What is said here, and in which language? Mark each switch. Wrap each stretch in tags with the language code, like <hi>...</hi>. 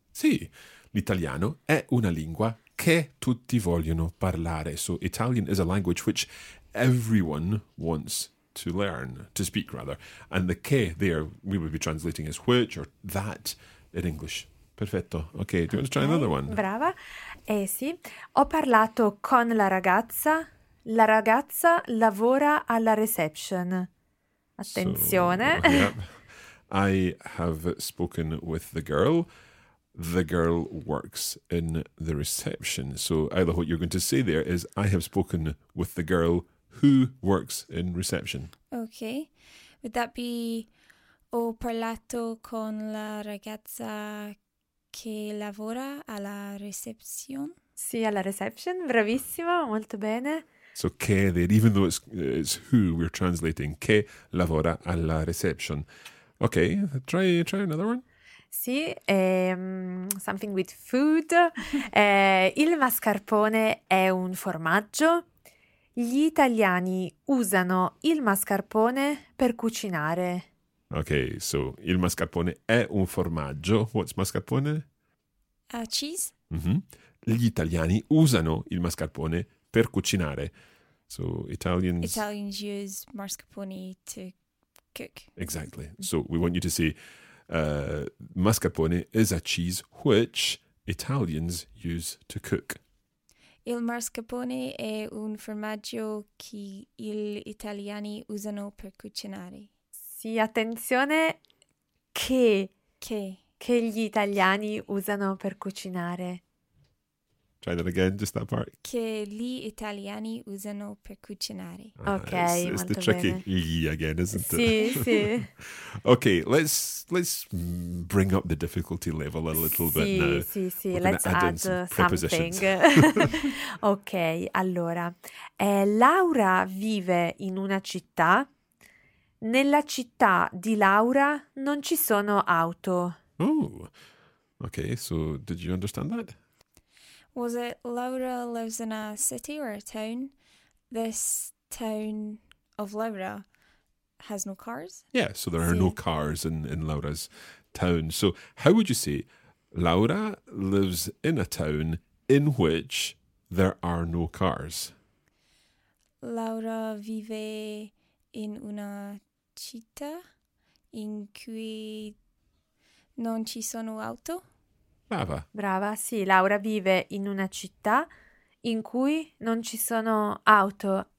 <it>Sì, l'italiano è una lingua che tutti vogliono parlare.</it> <en>So Italian is a language which everyone wants to learn, to speak rather. And the che there, we would be translating as which or that in English.</en> <it>Perfetto.</it> <en>Okay, do you want to try another one?</en> <it>Brava. Sì. Ho parlato con la ragazza. La ragazza lavora alla reception. Attenzione.</it> <en>So, yep. I have spoken with the girl. The girl works in the reception. So, Ayla, what you're going to say there is, I have spoken with the girl who works in reception. Okay. Would that be,</en> <it>ho parlato con la ragazza che lavora alla reception? Sì, alla reception. Bravissimo. Molto bene.</it> <en>So, che there, even though it's who we're translating,</en> <it>che lavora alla reception.</it> <en>Okay. Try another one. Sì, something with food.</en> <it>Il mascarpone è un formaggio. Gli italiani usano il mascarpone per cucinare. Okay, so il mascarpone è un formaggio.</it> <en>What's mascarpone? Cheese. Mm-hmm.</en> <it>Gli italiani usano il mascarpone per cucinare.</it> <en>So Italians use mascarpone to cook. Exactly. So we want you to say, mascarpone is a cheese which Italians use to cook.</en> <it>Il mascarpone è un formaggio che gli italiani usano per cucinare. Sì, attenzione, che gli italiani usano per cucinare.</it> <en>Try that again, just that part.</en> <it>Che gli italiani usano per cucinare.</it> <en>Okay, it's the tricky gli again, isn't it?</en> <it>Sì, sì.</it> <en>Okay, let's bring up the difficulty level a little bit now. Sì, sì, let's add something. Okay, allora.</en> <it>Laura vive in una città. Nella città di Laura non ci sono auto.</it> <en>Oh, okay, so did you understand that? Was it Laura lives in a city or a town? This town of Laura has no cars? Yeah, so there are no cars in Laura's town. So how would you say Laura lives in a town in which there are no cars?</en> <it>Laura vive in una città in cui non ci sono auto. Brava. Brava, sì, Laura vive in una città in cui non ci sono auto.</it>